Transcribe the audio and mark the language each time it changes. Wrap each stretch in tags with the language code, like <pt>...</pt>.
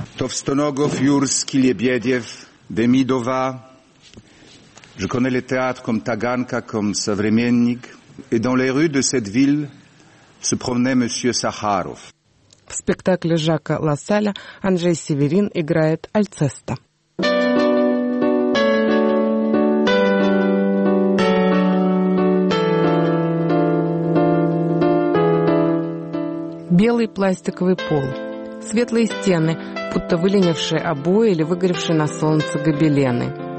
<ru>Стоногов, Юрский, Лебедев, Демидова.</ru> <fr>Je connais les théâtres comme Таганка, comme Современник. Et dans les rues de cette ville se promenait monsieur Сахаров.</fr> <ru>В спектакле Жака Лассаля Анжей Северин играет Альцеста. Белый пластиковый пол. Светлые стены, будто выленившие обои или выгоревшие на солнце гобелены.</ru>